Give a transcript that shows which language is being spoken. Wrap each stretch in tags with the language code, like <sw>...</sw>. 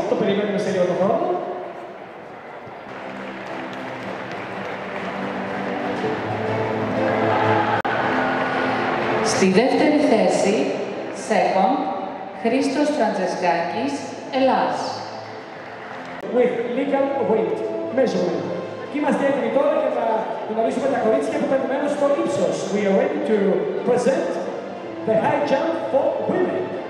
<el>Το περιμένουμε σε λίγο το χρόνο. Στη δεύτερη θέση, second, Χρήστος Φραντζεσκάκης, Ελλάς.</el> <en>With legal weight, measurement.</en> <el>Και είμαστε έτοιμοι τώρα για να γνωρίσουμε τα κορίτσια που περιμένουν στο ύψος.</el> <en>We are ready to present the high jump for women.</en>